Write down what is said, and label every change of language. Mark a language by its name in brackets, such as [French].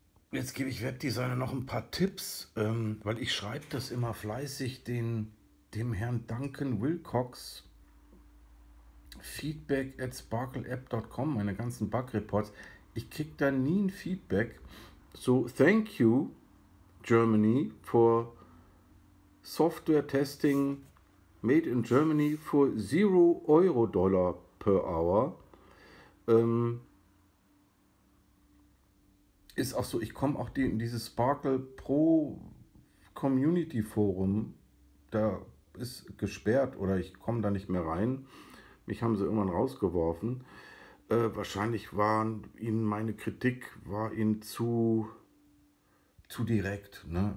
[German] Jetzt gebe ich Webdesigner noch ein paar Tipps, weil ich schreibe das immer fleißig dem Herrn Duncan Wilcox Feedback at sparkleapp.com, meine ganzen Bug-Reports. Ich kriege da nie ein Feedback. [English] So, thank you, Germany, for Software Testing made in Germany for 0 Euro-Dollar per hour. [German] Ist auch so, ich komme auch in dieses Sparkle Pro Community Forum, da ist gesperrt oder ich komme da nicht mehr rein. Mich haben sie irgendwann rausgeworfen. Wahrscheinlich war ihnen zu direkt, ne?